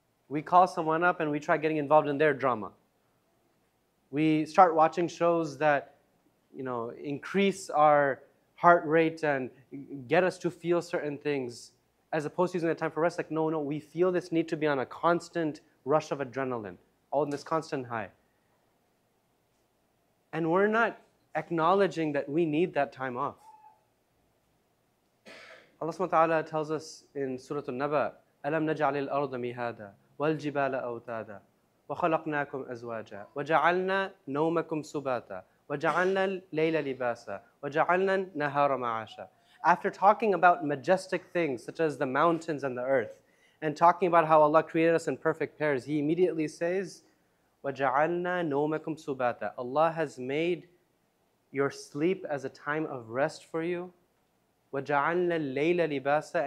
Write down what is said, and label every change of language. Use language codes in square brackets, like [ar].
[en] We call someone up and we try getting involved in their drama. We start watching shows that, you know, increase our heart rate and get us to feel certain things, as opposed to using that time for rest. Like, no, we feel this need to be on a constant rush of adrenaline, all in this constant high. And we're not acknowledging that we need that time off. Allah subhanahu wa ta'ala tells us in Surah An-Naba, [ar] أَلَمْ نَجْعَلِ الْأَرْضَ مِهَادًا وَالْجِبَالَ أَوْتَادًا وَخَلَقْنَاكُمْ أَزْوَاجًا وَجَعَلْنَا نَوْمَكُمْ سُبَاتًا وَجَعَلْنَا اللَّيْلَ لِبَاسًا وَجَعَلْنَا النَّهَارَ مَعَاشًا. After talking about majestic things such as the mountains and the earth, and talking about how Allah created us in perfect pairs, He immediately says, وَجَعَلْنَا نَوْمَكُمْ سُبَاتًا. [en] Allah has made your sleep as a time of rest for you. [ar] وَجَعَلْنَا اللَّيْلَ لِبَاسًا.